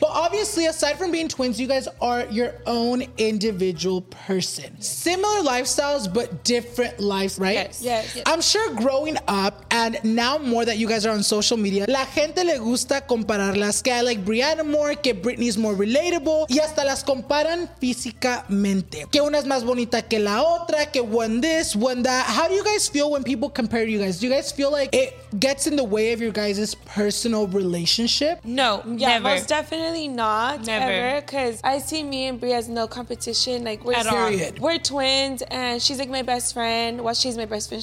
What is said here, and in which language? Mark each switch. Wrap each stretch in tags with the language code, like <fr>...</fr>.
<en>But obviously, aside from being twins, you guys are your own individual person. Yes. Similar lifestyles, but different lives, right? Yes. I'm sure growing up, and now more that you guys are on social media,</en> <es>la gente le gusta compararlas.</es> <en>Que I like Brianna more, que Britney's more relatable.</en> <es>Y hasta las comparan físicamente. Que una es más bonita que la otra, que</es> <en>one this, one that. How do you guys feel when people compare you guys? Do you guys feel like it gets in the way of your guys' personal relationship? No, yeah, never. Most definitely not. Never. Because I see me and Bri as no competition. Like, we're at all. We're twins, and she's like my best friend. Well, she's my best friend.</en>